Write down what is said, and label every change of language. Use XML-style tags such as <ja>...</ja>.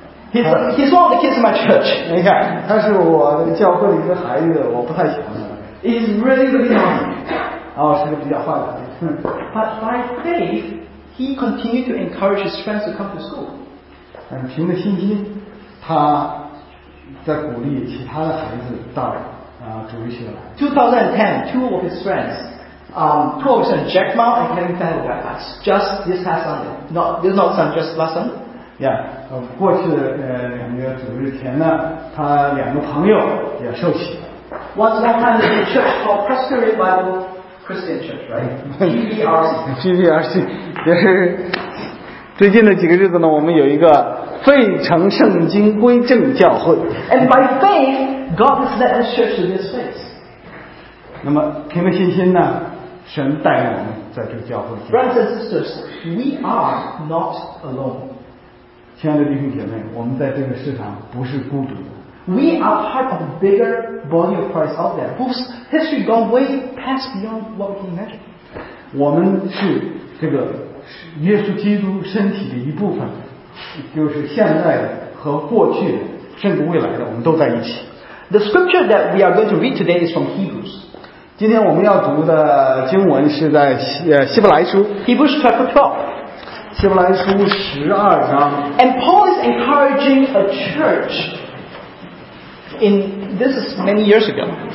<en>He's one of the kids in my church.</en> <zh>你看，他是我教会的一个孩子，我不太喜欢他。</zh> <en>He's really really naughty.</en> <zh>是个比较坏的孩子。</zh> <en>But by faith, he continued to encourage his friends to come to school.</en> <zh>凭着信心，他在鼓励其他的孩子到主日学来。</zh> <en>2010, two of his friends, two of his friends, Jack Ma and Kevin Fan, were baptized just this past Sunday. Just last Sunday.</en> <zh>Yeah, 过去两个主日前呢，他两个朋友也受洗了。</zh> <en>Once upon a time, there's a church called Presbyterian Bible Christian Church, right? PBRC.</en> <zh>就是最近的几个日子呢，我们有一个费城圣经归正教会。</zh> <en>And by faith, God has led this church to this place.</en> <zh>那么凭着信心呢，神带领我们在这个教会。</zh> <en>Brothers and sisters, we are not alone.</en> <zh>亲爱的弟兄姐妹，我们在这个世上不是孤独的。</zh> <en>We are part of a bigger body of Christ out there, whose history gone way past beyond what we can imagine.</en> <zh>我们是这个耶稣基督身体的一部分，就是现在和过去，甚至未来的，我们都在一起。</zh> <en>The scripture that we are going to read today is from Hebrews.</en> <zh>今天我们要读的经文是在希伯来书。</zh> <en>Hebrews chapter 12.</en> <zh>希伯来书十二章。</zh> <en>And Paul is encouraging a church in this is many years ago.</en>